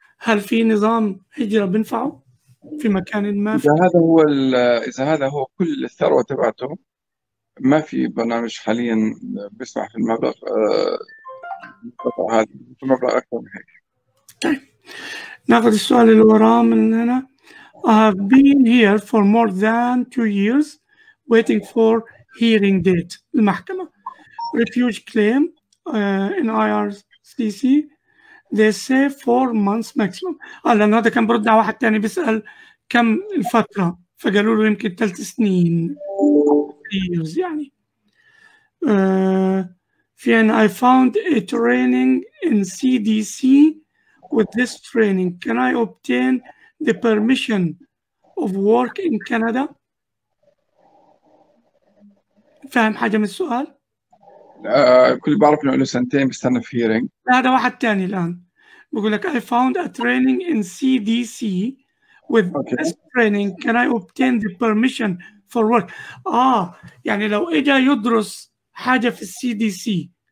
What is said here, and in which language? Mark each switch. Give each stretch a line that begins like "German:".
Arabic: هل في نظام هجرة بنفعه في مكان ما في اذا هذا هو اذا هذا هو كل الثروه تبعته، ما في برنامج حاليا بيسمح في المبلغ هذا، في مبلغ اكثر من هيك. طيب ناخذ السؤال اللي وراه من هنا.
English: I have been here for more than 2 years waiting for hearing date.
Arabic: المحكمة
English: refuse claim in IRCC. They say 4 months maximum.
Arabic: لأن هذا كان برد على واحد تاني بيسأل كم الفترة، فقالوا له يمكن 3 سنين. يعني في أن
English: I found a training in CDC with this training. Can I obtain the permission of work in Canada?
Arabic: فاهم حاجة من السؤال؟ كل بعرف انه له سنتين بستنى في هيرينج. هذا واحد تاني الآن بقول لك
English: I found a training in CDC with
Arabic: اوكي
English: this training. Can I obtain the permission for work?
Arabic: يعني لو إجا يدرس حاجة في CDC.